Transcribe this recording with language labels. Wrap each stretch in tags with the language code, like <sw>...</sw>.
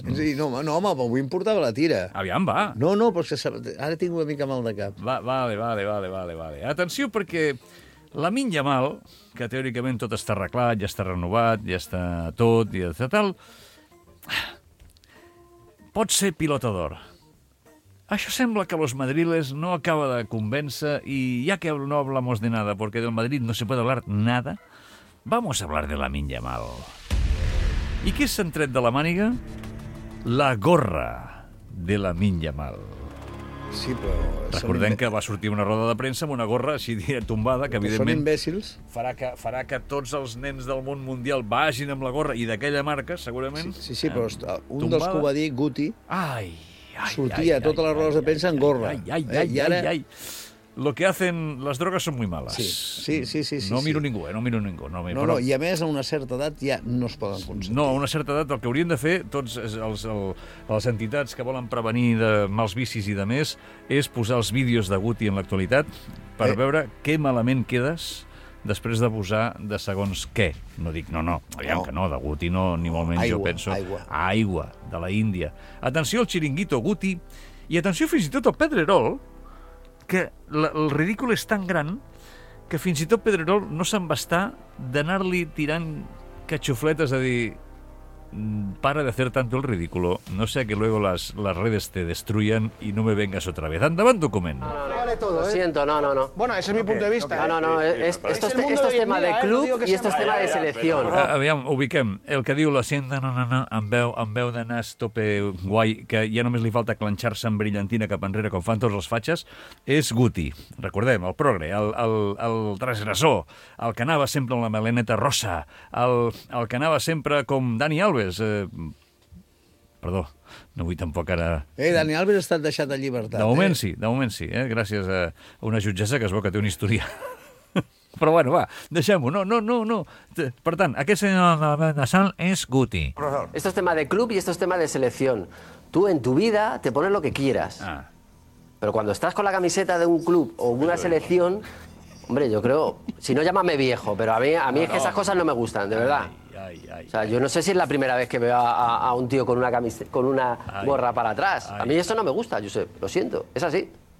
<ca>Sí, no, home, avui em portava la tira. Aviam, va. No, però ara tinc una mica mal de cap. Vale. Atenció, perquè... La Minya Mal, que teòricament tot està arreglat, ja està renovat, ja està tot, i etc. tal, pot ser pilota d'or. Això sembla que los madriles no acaba de convèncer</ca> <es>i ja que no hablamos de nada, porque del Madrid no se puede hablar nada, vamos a hablar de la Minya Mal.</es> <ca>I què s'han tret de la màniga? La gorra de la Minya Mal. Sí, però... Recordem que va sortir una roda de premsa amb una gorra així tombada, que evidentment... Són imbècils. Farà que tots els nens del món mundial vagin amb la gorra, i d'aquella marca, segurament... Sí, però un dels que ho va dir, Guti, sortia totes les rodes de premsa amb gorra. Ai, ara...</ca> <es>Lo que hacen las drogas son muy malas.</es> <ca>Sí. No miro ningú. No, i a més, a una certa edat ja no es poden consentir. No, a una certa edat el que haurien de fer tots les entitats que volen prevenir de mals vicis i de més és posar els vídeos de Guti en l'actualitat per veure què malament quedes després d'abusar de segons què. No dic no, aviam. Que no, de Guti no, ni molt menys aigua, jo penso. Aigua, de la Índia. Atenció al xiringuito Guti i atenció fins i tot al Pedrerol, que el ridícul és tan gran que fins i tot Pedrerol no se'n va estar d'anar-li tirant catxufletes a dir</ca> <es>para de hacer tanto el ridículo, no sea que luego las redes te destruyan y no me vengas otra vez.</es> <ca>Endavant, document.</ca> <es>Lo siento, no. Bueno, ese es mi punto de vista. No, esto es tema de club y esto es tema de selección.</es> <ca>Aviam, ubiquem. El que diu</ca> <es>lo siento, no,</es> <ca>amb veu de nas tope guai, que ja només li falta clanxar-se en brillantina cap enrere com fan tots els fatxes, és Guti. Recordem, el progre, el transgressor, el que anava sempre amb la meleneta rossa, el que anava sempre com Dani Alves, perdó, no vull tampoc ara... Dani Alves ha estat deixat en llibertat. De moment sí, gràcies a una jutgessa que es veu que té una història. Però bueno, va, deixem-ho, no. Per tant, aquest senyor de Sal és Guti.</ca> <es>Esto es tema de club y esto es tema de selección. Tú en tu vida te pones lo que quieras. Ah. Pero cuando estás con la camiseta de un club o una selección... Hombre, yo creo... Si no, llámame viejo, pero a mí es que esas cosas no me gustan, de verdad. Ay, o sea, yo no sé si es la primera vez que veo a un tío con una gorra para atrás. Ay, a mí eso no me gusta, Josep, lo siento, es así.</es>